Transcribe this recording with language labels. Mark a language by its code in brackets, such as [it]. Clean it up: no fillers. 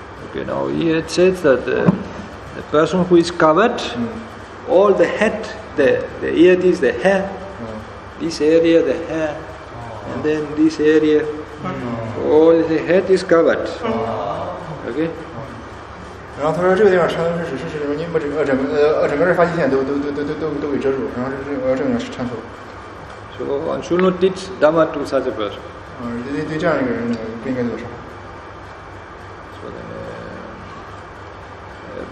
[en] Okay, now here it says that the person who is covered, all the head, the ear is the hair, this area, the hair, and then this area, all the head is covered. Okay? [zh] 然后他说这个地方禅坐是什么？您把整个发际线都给遮住，然后我要这样禅坐。 [en] So one should not teach dhamma to such a person. [zh] 对这样一个人不应该做什么。